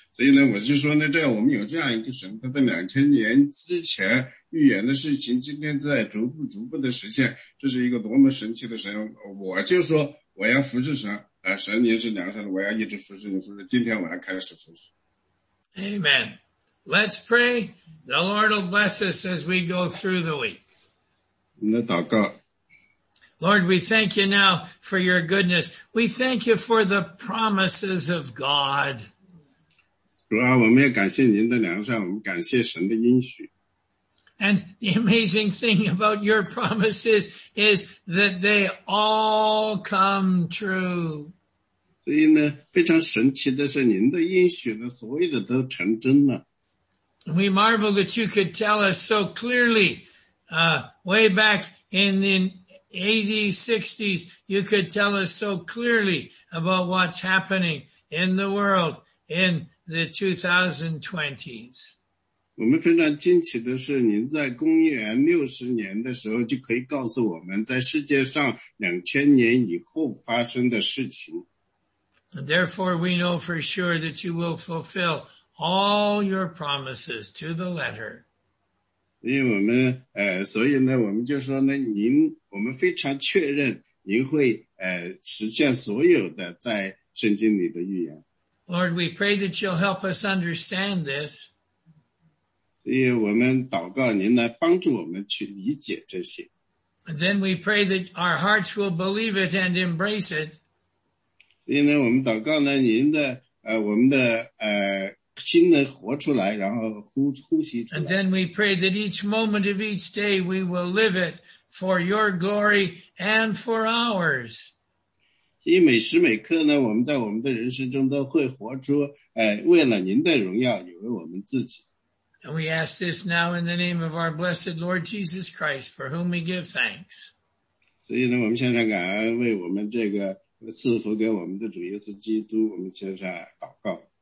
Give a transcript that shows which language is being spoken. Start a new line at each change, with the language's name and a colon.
Chinese: 所以呢，我就说呢，这样我们有这样一个神，他在2000年之前预言的事情，今天在逐步逐步的实现，这是一个多么神奇的神。我就说我要服侍神，神您是良善的，我要一直服侍你，服侍今天我要开始服侍。
English: Amen. Let's pray. The Lord will bless us as we go through the week. Lord, we thank you now for your goodness. We thank you for the promises of God.
Chinese: 主啊，我们要感谢您的良善，我们感谢神的应许。
English: And the amazing thing about your promises is that they all come true.
Chinese: 所以呢，非常神奇的是，您的应许呢，所有的都成真了。
English: We marvel that you could tell us so clearly, way back in the 80s, 60s, you could tell us so clearly about what's happening in the world in the 2020s.
Chinese: 我们非常惊奇的是您在公元60年的时候就可以告诉我们在世界上2000年以后发生的事情。
English: Therefore, we know for sure that you will fulfill all your promises to the letter.
Chinese: 因为我们所以呢我们就说呢您我们非常确认您会实现所有的在圣经里的预言。
English: Lord, we pray that you'll help us understand this.
Chinese: 所以我们祷告您来帮助我们去理解这些。
English: Then we pray that our hearts will believe it and embrace it.
Chinese: 所以呢我们祷告呢您的我们的心能活出来然后呼吸出来。
English: And then we pray that each moment of each day we will live it for your glory and for ours.
Chinese: 所以每时每刻呢我们在我们的人生中都会活出为了您的荣耀也为我们自己。
English: And we ask this now in the name of our blessed Lord Jesus Christ, for whom we give thanks.
Chinese: 所以呢我们献上感恩为我们这个赐福给我们的主耶稣基督我们献上祷告。